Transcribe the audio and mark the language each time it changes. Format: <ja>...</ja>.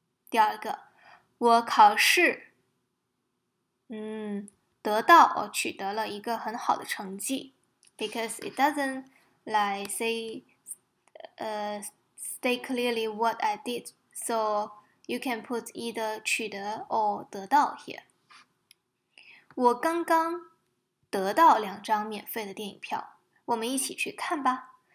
<zh>第二个，我考试，得到我取得了一个很好的成绩。</zh> <en>Because it doesn't like say, state clearly what I did, so you can put either 取得 or 得到 here.</en> <zh>我刚刚得到两张免费的电影票，我们一起去看吧。</zh>